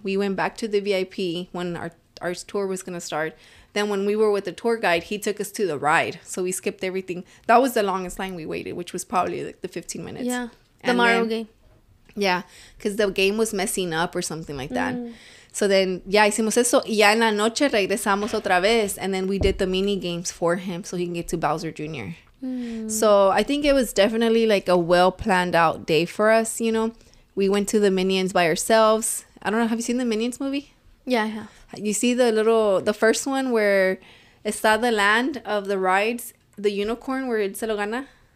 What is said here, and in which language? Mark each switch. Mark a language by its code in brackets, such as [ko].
[en] We went back to the VIP when our tour was going to start. Then when we were with the tour guide, he took us to the ride. So we skipped everything. That was the longest line we waited, which was probably like the 15 minutes. Yeah, the Mario game. Yeah, because the game was messing up or something like that. So then, yeah, [es] hicimos eso. Y ya en la noche regresamos otra vez. [en] And then we did the mini games for him so he can get to Bowser Jr. So I think it was definitely like a well-planned out day for us, you know. We went to the Minions by ourselves. I don't know. Have you seen the Minions movie? Yeah, I have. You see the first one where it's at the land of the rides, the unicorn where it [es] se lo gana?